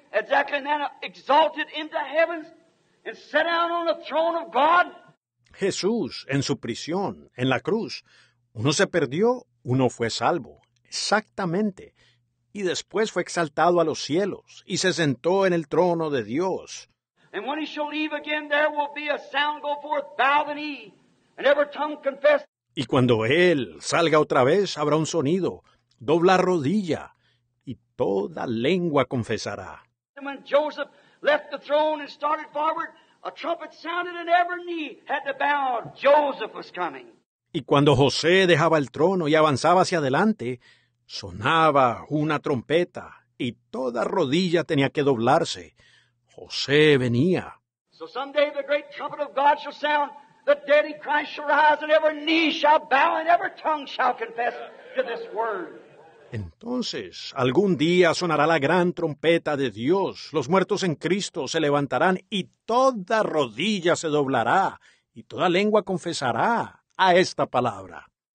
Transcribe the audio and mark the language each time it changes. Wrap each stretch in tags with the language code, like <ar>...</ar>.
<en>Exactly, and then exalted into heavens and set down on the throne of God.</en> <es>Jesús, en su prisión, en la cruz, uno se perdió, uno fue salvo. Exactamente. Y después fue exaltado a los cielos y se sentó en el trono de Dios.</es> <en>And when he shall leave again, there will be a sound go forth, bow the knee, and every tongue confess.</en> <es>Y cuando él salga otra vez, habrá un sonido, dobla rodilla, y toda lengua confesará.</es> <en>When Joseph left the throne and started forward, a trumpet sounded and every knee had to bow. Joseph was coming.</en> <es>Y cuando José dejaba el trono y avanzaba hacia adelante, sonaba una trompeta y toda rodilla tenía que doblarse. José venía.</es> <en>So someday the great trumpet of God shall sound, the dead in Christ shall rise, and every knee shall bow, and every tongue shall confess to this word.</en> <es>Entonces, algún día sonará la gran trompeta de Dios, los muertos en Cristo se levantarán y toda rodilla se doblará y toda lengua confesará a esta palabra.</es>